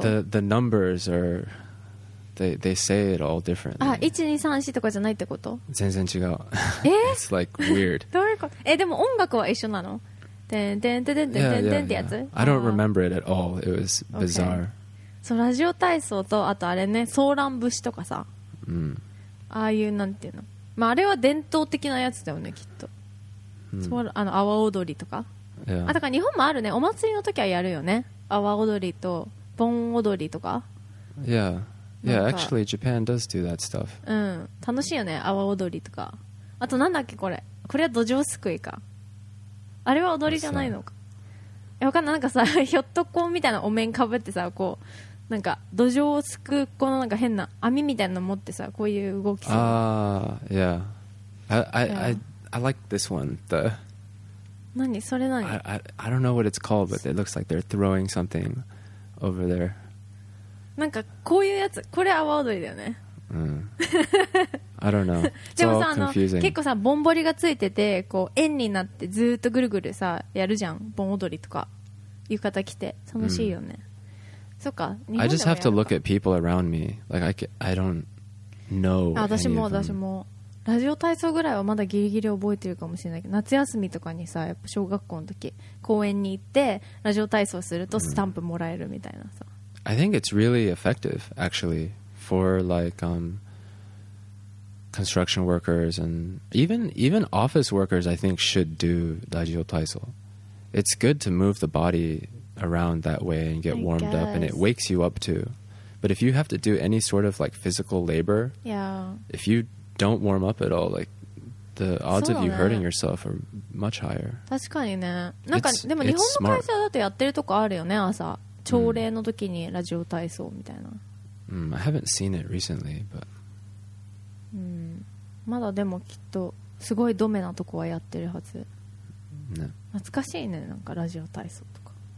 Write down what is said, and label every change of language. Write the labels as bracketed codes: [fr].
[en] the numbers are they say it all differently. [ja] あ、1,2,3,4 とかじゃないってこと。全然違う。え [en] It's like weird. [ja] どういうこと。え、でも音楽は一緒なの。てんてんてんてんてんてんってやつ。 [en] I don't remember it at all. It was bizarre. [ja] そう、ラジオ体操とあとあれね、ソーラン節とかさ、うん、ああいうなんていうの、まあ、あれは伝統的なやつだよねきっと、うん、そう、あの阿波踊りとか、 [en] yeah. [ja] あ、だから日本もあるね、お祭りの時はやるよね、阿波踊りと盆踊りとか。 [en] Yeah, yeah, actually Japan does do that stuff. [ja] うん、楽しいよね、阿波踊りとか。あとなんだっけこれ、これは土壌すくいか、あれは踊りじゃないのか。わかんない、なんかさ、ひょっとこみたいなお面かぶってさ、こうなんか土壌をすくこのなんか変な網みたいなの持ってさ、こういう動き。 [en] I like this one though. [ja] 何それ何？ [en] I don't know what it's called, but it looks like they're throwing something over there. [ja] なんかこういうやつ、これ阿波踊りだよね。 [en] I don't know. It's all confusing. でも [ja] さ、結構さ、ぼんぼりがついてて、こう円になってずっとぐるぐるさやるじゃん、盆踊りとか浴衣着て楽しいよね。そっか、日本でもやるか。 [en] I just have to look at people around me. Like I don't know. [ja] あ、私も私もラジオ体操ぐらいはまだギリギリ覚えてるかもしれないけど、夏休みとかにさ、やっぱ小学校の時公園に行ってラジオ体操するとスタンプもらえるみたいなさ。 [en] I think it's really effective actually for like construction workers and even office workers I think should do ラジオ体操. It's good to move the body around that way and get warmed up and it wakes you up too. But if you have to do any sort of like physical labor, yeah. If you don't warm up at all, like the odds of you hurting yourself are much higher. [ja] 確かにね。なんかでも日本の会社だとやってるとこあるよね、朝朝礼の時にラジオ体操みたいな。 [en] I haven't seen it recently, but [ja] まだでもきっとすごいドメなとこはやってるはず。懐かしいね、なんかラジオ体操とか。